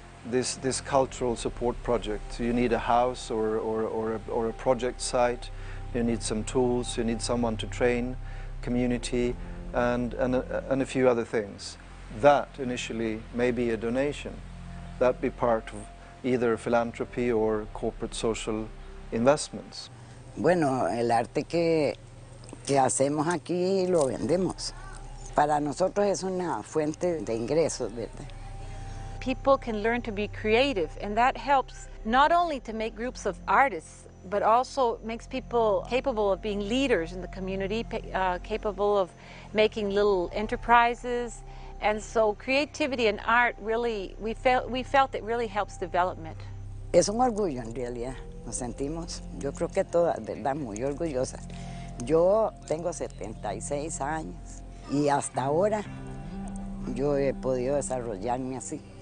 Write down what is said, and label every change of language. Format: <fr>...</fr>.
<en>this cultural support project. You need a house or a project site. You need some tools. You need someone to train, community, and a few other things. That initially may be a donation. That be part of either philanthropy or corporate social investments.</en> <es>Bueno, el arte que hacemos aquí lo vendemos. Para nosotros es una fuente de ingresos, ¿verdad?</es> <en>People can learn to be creative, and that helps not only to make groups of artists, but also makes people capable of being leaders in the community, capable of making little enterprises. And so creativity and art really, we felt it really helps development.</en> <es>Es un orgullo, en realidad. Nos sentimos, yo creo que toda, verdad, muy orgullosa. Yo tengo 76 años y hasta ahora yo he podido desarrollarme así.</es>